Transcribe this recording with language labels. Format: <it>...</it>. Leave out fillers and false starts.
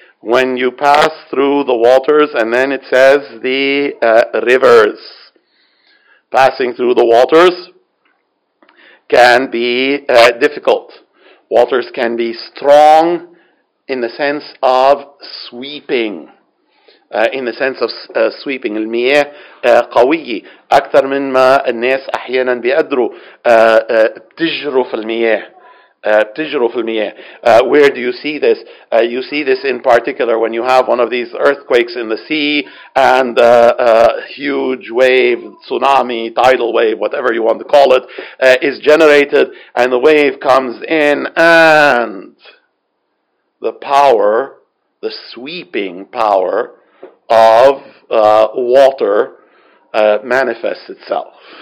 <en>When you pass through the waters, and then it says the rivers. Passing through the waters can be difficult. Waters can be strong in the sense of sweeping. In the sense of sweeping.</en> <ar>المياه قوية أكثر من ما الناس أحيانا بيقدروا تجرف المياه.</ar> <en>Where do you see this? You see this in particular when you have one of these earthquakes in the sea and a huge wave, tsunami, tidal wave, whatever you want to call it, is generated and the wave comes in and the power, the sweeping power of water manifests itself.</en>